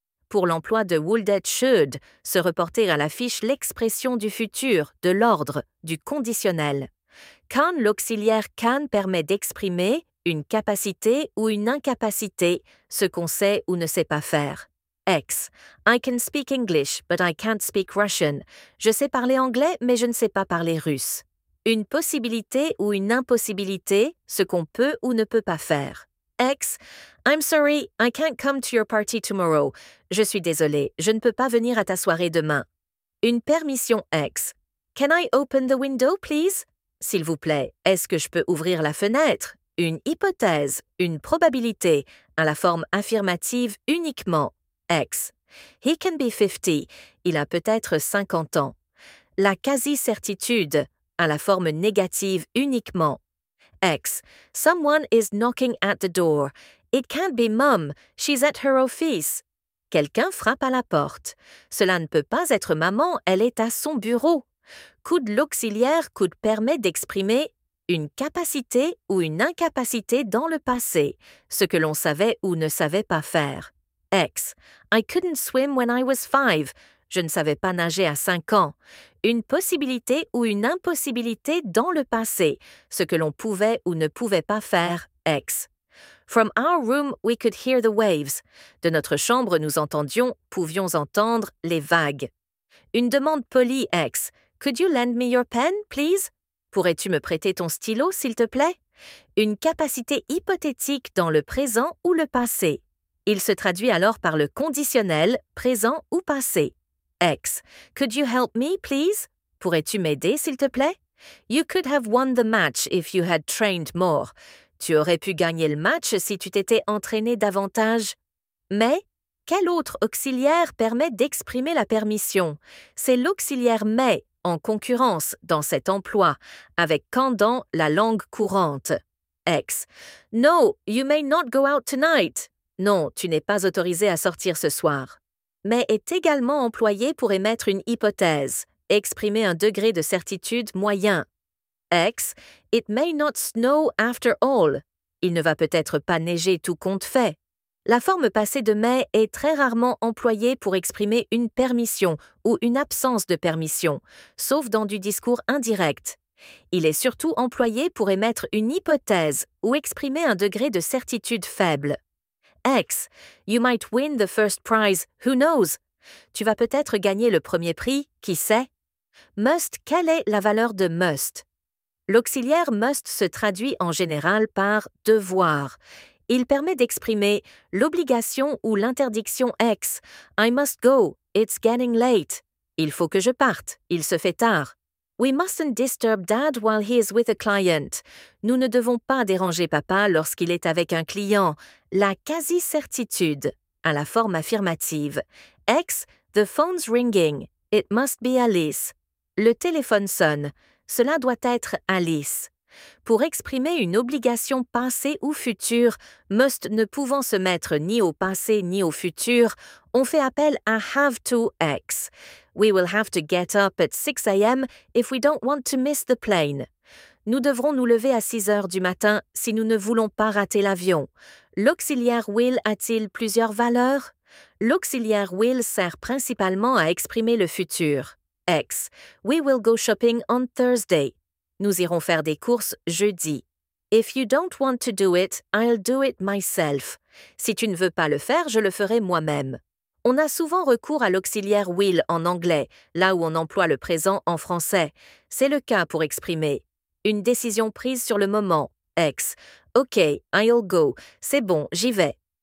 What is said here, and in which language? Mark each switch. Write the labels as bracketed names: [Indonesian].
[French] Pour l'emploi de wouldn't should, se reporter à la fiche l'expression du futur, de l'ordre, du conditionnel. Can, l'auxiliaire can permet d'exprimer une capacité ou une incapacité, ce qu'on sait ou ne sait pas faire. Ex. [English] I can speak English, but I can't speak Russian. [French] Je sais parler anglais, mais je ne sais pas parler russe. Une possibilité ou une impossibilité, ce qu'on peut ou ne peut pas faire. Ex. [English] I'm sorry, I can't come to your party tomorrow. [French] Je suis désolé, je ne peux pas venir à ta soirée demain. Une permission ex. [English] Can I open the window, please? [French] S'il vous plaît, est-ce que je peux ouvrir la fenêtre? Une hypothèse, une probabilité, à la forme affirmative uniquement. Ex. [English] He can be 50. [French] Il a peut-être 50 ans. La quasi-certitude, à la forme négative uniquement. [English] Ex. Someone is knocking at the door. It can't be mom. She's at her office. [French] Quelqu'un frappe à la porte. Cela ne peut pas être maman. Elle est à son bureau. Could, l'auxiliaire could permet d'exprimer une capacité ou une incapacité dans le passé, ce que l'on savait ou ne savait pas faire. Ex. [English] I couldn't swim when I was 5. [French] Je ne savais pas nager à 5 ans. Une possibilité ou une impossibilité dans le passé, ce que l'on pouvait ou ne pouvait pas faire. Ex. [English] From our room, we could hear the waves. [French] De notre chambre, nous entendions, pouvions entendre les vagues. Une demande polie, ex. [English] Could you lend me your pen, please? [French] Pourrais-tu me prêter ton stylo, s'il te plaît? Une capacité hypothétique dans le présent ou le passé. Il se traduit alors par le conditionnel, présent ou passé. Ex. [English] Could you help me, please? [French] Pourrais-tu m'aider, s'il te plaît? [English] You could have won the match if you had trained more. [French] Tu aurais pu gagner le match si tu t'étais entraîné davantage. Mais, quel autre auxiliaire permet d'exprimer la permission? C'est l'auxiliaire « mais » en concurrence dans cet emploi, avec « quand dans » la langue courante. Ex. [English] No, you may not go out tonight. [French] Non, tu n'es pas autorisé à sortir ce soir. Mais est également employé pour émettre une hypothèse, exprimer un degré de certitude moyen. Ex. [English] It may not snow after all. [French] Il ne va peut-être pas neiger tout compte fait. La forme passée de may est très rarement employée pour exprimer une permission ou une absence de permission, sauf dans du discours indirect. Il est surtout employé pour émettre une hypothèse ou exprimer un degré de certitude faible. Ex. [English] You might win the first prize, who knows? [French] Tu vas peut-être gagner le premier prix, qui sait? Must, quelle est la valeur de must? L'auxiliaire must se traduit en général par devoir. Il permet d'exprimer l'obligation ou l'interdiction ex. [English] I must go, it's getting late. [French] Il faut que je parte, il se fait tard. [English] We mustn't disturb dad while he is with a client. [French] Nous ne devons pas déranger papa lorsqu'il est avec un client. La quasi-certitude, à la forme affirmative. [English] Ex, the phone's ringing. It must be Alice. [French] Le téléphone sonne. Cela doit être Alice. Pour exprimer une obligation passée ou future, must ne pouvant se mettre ni au passé ni au futur, on fait appel à have to ex. [English] We will have to get up at 6 a.m. if we don't want to miss the plane. [French] Nous devrons nous lever à 6 heures du matin si nous ne voulons pas rater l'avion. L'auxiliaire will a-t-il plusieurs valeurs? L'auxiliaire will sert principalement à exprimer le futur. [English] Ex. We will go shopping on Thursday. [French] Nous irons faire des courses jeudi. [English] If you don't want to do it, I'll do it myself. [French] Si tu ne veux pas le faire, je le ferai moi-même. On a souvent recours à l'auxiliaire will en anglais, là où on emploie le présent en français. C'est le cas pour exprimer une décision prise sur le moment. Ex. [English] OK, I'll go. [French] C'est bon, j'y vais.